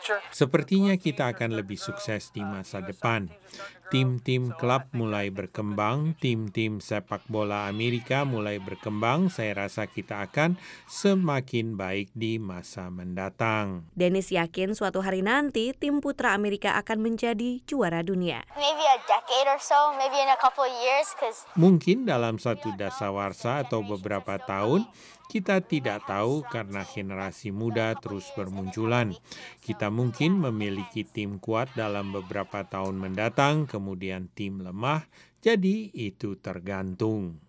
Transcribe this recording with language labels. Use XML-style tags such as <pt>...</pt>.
<id>Sepertinya kita akan lebih sukses di masa depan. Tim-tim klub mulai berkembang, tim-tim sepak bola Amerika mulai berkembang. Saya rasa kita akan semakin baik di masa mendatang. Dennis yakin suatu hari nanti tim putra Amerika akan menjadi juara dunia.</id> <en>Maybe a decade or so, maybe in a couple of years.</en> <id>Mungkin dalam satu dasawarsa atau beberapa tahun. Kita tidak tahu karena generasi muda terus bermunculan. Kita mungkin memiliki tim kuat dalam beberapa tahun mendatang, kemudian tim lemah, jadi itu tergantung.</id>